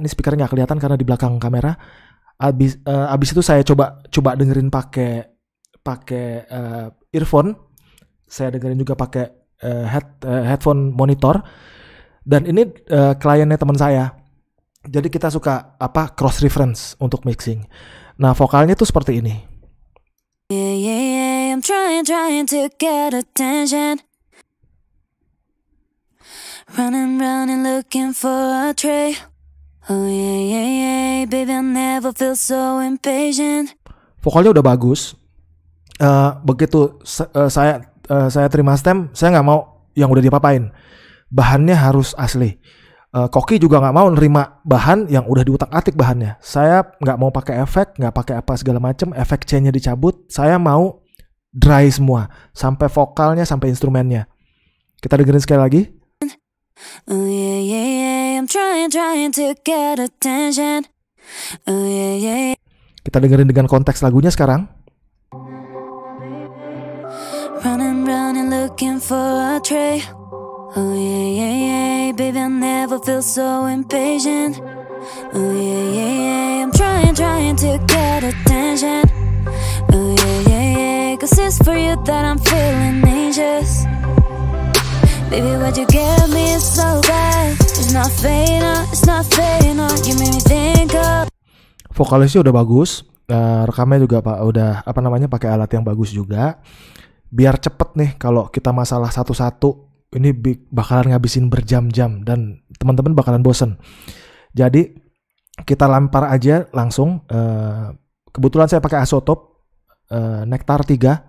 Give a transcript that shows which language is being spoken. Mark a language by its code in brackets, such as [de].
[id] Ini speaker nggak kelihatan karena di belakang kamera. Abis itu saya coba dengerin pakai earphone. Saya dengerin juga pakai headphone monitor. Dan ini kliennya teman saya. Jadi kita suka apa cross reference untuk mixing. Nah, vokalnya tuh seperti ini. [en] Yeah, yeah, yeah, I'm trying to get attention. Running looking for a tray. Oh yeah, yeah, yeah, baby, I never feel so impatient. [id] Vokalnya udah bagus. Begitu saya terima stem, saya enggak mau yang udah dipapain. Bahannya harus asli. Koki juga enggak mau nerima bahan yang udah diutak-atik bahannya. Saya enggak mau pakai efek, enggak pakai apa segala macam, efek chain-nya dicabut. Saya mau dry semua, sampai vokalnya, sampai instrumennya. Kita dengerin sekali lagi. [en] Oh yeah, yeah, yeah, I'm trying to get attention. Oh yeah, yeah, yeah. [id] Kita dengerin dengan konteks lagunya sekarang. [en] Running looking for a tray. Oh yeah, yeah, yeah, baby, I never feel so impatient. Oh yeah, yeah, yeah, I'm trying to get attention. Oh yeah, yeah, yeah, cause it's for you that I'm feeling anxious. Baby, what you give me is so bad. It's not fading on, you made me think of. [id] Vokalisnya udah bagus. Rekamnya juga Pak udah apa namanya pakai alat yang bagus juga. Biar cepet nih kalau kita masalah satu-satu, ini bakalan ngabisin berjam-jam dan teman-teman bakalan bosen. Jadi kita lempar aja langsung. Kebetulan saya pakai Asotope Nectar 3.